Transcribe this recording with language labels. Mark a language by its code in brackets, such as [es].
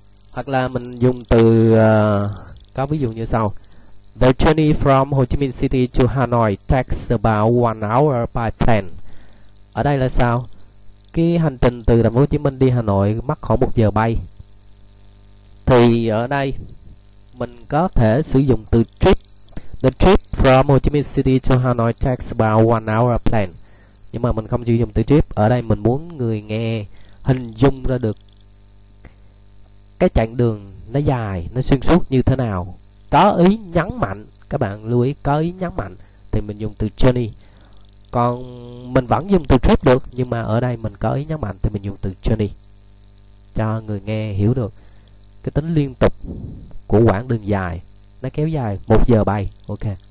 [vi] Hoặc là mình dùng từ có ví dụ như sau: [en] The journey from Ho Chi Minh City to Hanoi takes about 1 hour by plane. [vi] Ở đây là sao? Cái hành trình từ thành phố Hồ Chí Minh đi Hà Nội mất khoảng 1 giờ bay. Thì ở đây mình có thể sử dụng từ trip. [en] The trip from Ho Chi Minh City to Hanoi takes about 1 hour plane. [vi] Nhưng mà mình không sử dụng từ trip. Ở đây mình muốn người nghe hình dung ra được cái chặng đường nó dài, nó xuyên suốt như thế nào. Có ý nhấn mạnh, các bạn lưu ý có ý nhấn mạnh thì mình dùng từ journey. Còn mình vẫn dùng từ trip được, nhưng mà ở đây mình có ý nhấn mạnh thì mình dùng từ journey, cho người nghe hiểu được cái tính liên tục của quãng đường dài, nó kéo dài 1 giờ bay. Ok.